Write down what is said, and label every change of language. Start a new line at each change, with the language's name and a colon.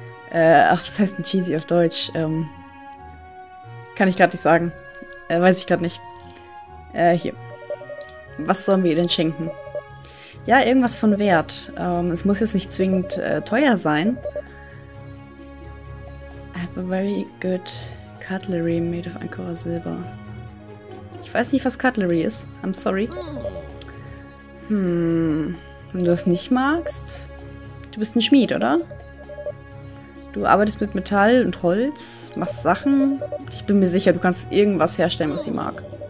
German: Das heißt ein cheesy auf Deutsch. Kann ich gerade nicht sagen. Weiß ich gerade nicht. Hier. Was sollen wir ihr denn schenken? Ja, irgendwas von Wert. Es muss jetzt nicht zwingend teuer sein.
English: I have a very good cutlery made of Ankara Silber.
German: Ich weiß nicht, was Cutlery ist.
English: I'm sorry.
German: Wenn du das nicht magst... Du bist ein Schmied, oder? Du arbeitest mit Metall und Holz, machst Sachen. Ich bin mir sicher, du kannst irgendwas herstellen, was sie mag.